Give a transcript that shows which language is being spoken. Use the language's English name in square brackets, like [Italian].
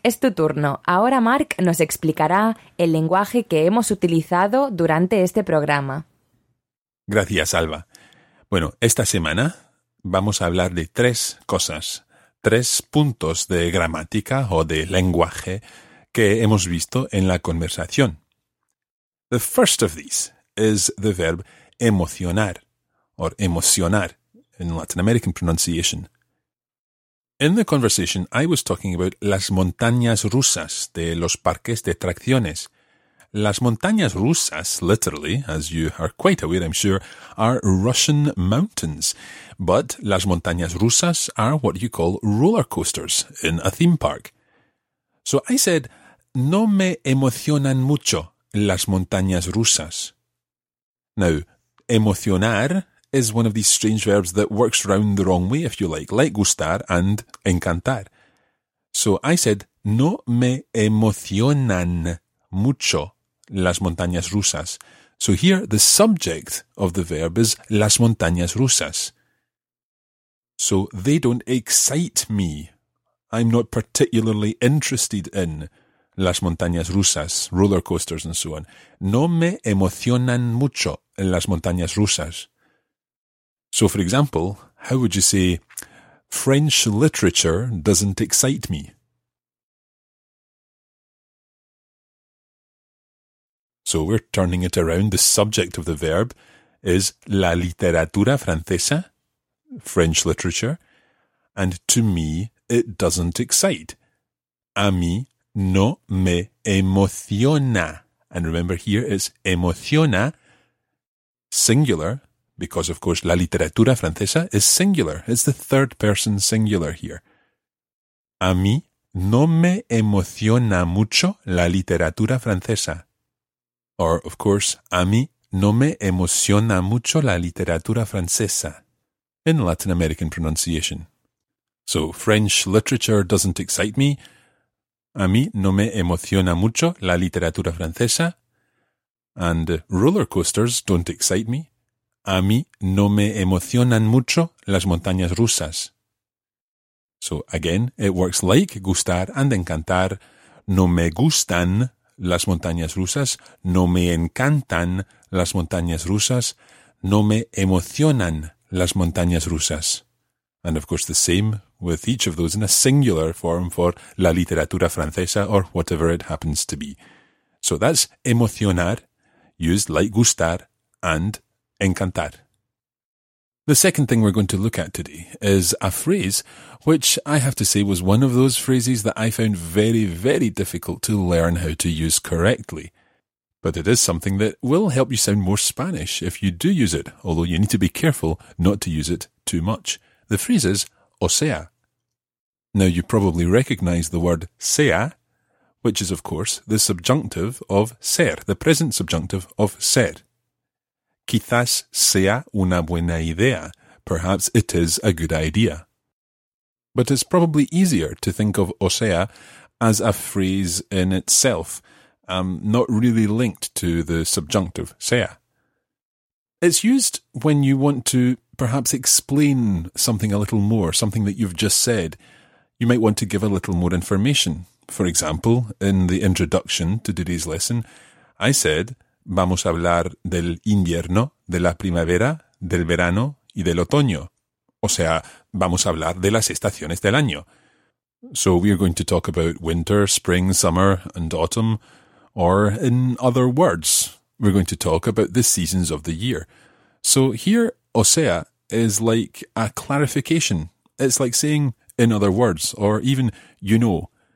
[Spanish] Es tu turno. Ahora Mark nos explicará el lenguaje que hemos utilizado durante este programa. Gracias, Alba. Bueno, esta semana vamos a hablar de tres cosas, tres puntos de gramática o de lenguaje que hemos visto en la conversación. [English] The first of these is the verb emocionar, or emocionar in Latin American pronunciation. In the conversation, I was talking about [Spanish] las montañas rusas de los parques de atracciones. [English] Las montañas rusas, literally, as you are quite aware, I'm sure, are Russian mountains. But las montañas rusas are what you call roller coasters in a theme park. So I said, [Spanish] no me emocionan mucho las montañas rusas. [English] Now, emocionar is one of these strange verbs that works round the wrong way, if you like gustar and encantar. So I said, [Spanish] no me emocionan mucho las montañas rusas. [English] So here the subject of the verb is las montañas rusas. So they don't excite me. I'm not particularly interested in las montañas rusas, roller coasters and so on. [Spanish] No me emocionan mucho las montañas rusas. [English] So for example, how would you say French literature doesn't excite me? So we're turning it around. The subject of the verb is la literatura francesa, French literature, and to me it doesn't excite. [Spanish] A mí no me emociona. [English] And remember here it's emociona, singular, because of course la literatura francesa is singular. It's the third person singular here. A mí [Spanish] No me emociona mucho la literatura francesa. [English] Or, of course, [Spanish] a mí no me emociona mucho la literatura francesa. [English] In Latin American pronunciation. So, French literature doesn't excite me. [Spanish] A mí no me emociona mucho la literatura francesa. [English] And roller coasters don't excite me. [Spanish] A mí no me emocionan mucho las montañas rusas. [English] So, again, it works like gustar and encantar. [Spanish] No me gustan las montañas rusas. No me encantan las montañas rusas. No me emocionan las montañas rusas. [English] And, of course, the same with each of those in a singular form for la literatura francesa or whatever it happens to be. So, that's emocionar, used like gustar and encantar. The second thing we're going to look at today is a phrase which I have to say was one of those phrases that I found very, very difficult to learn how to use correctly. But it is something that will help you sound more Spanish if you do use it, although you need to be careful not to use it too much. The phrase is o sea. Now you probably recognize the word sea, which is of course the subjunctive of ser, the present subjunctive of ser. [Spanish] Quizás sea una buena idea. [English] Perhaps it is a good idea. But it's probably easier to think of o sea as a phrase in itself, not really linked to the subjunctive sea. It's used when you want to perhaps explain something a little more, something that you've just said. You might want to give a little more information. For example, in the introduction to today's lesson, I said, [Spanish] vamos a hablar del invierno, de la primavera, del verano y del otoño. O sea, vamos a hablar de las estaciones del año. [English] So we are going to talk about winter, spring, summer and autumn. Or in other words, we're going to talk about the seasons of the year. So here, o sea, is like a clarification. It's like saying, in other words, or even, you know.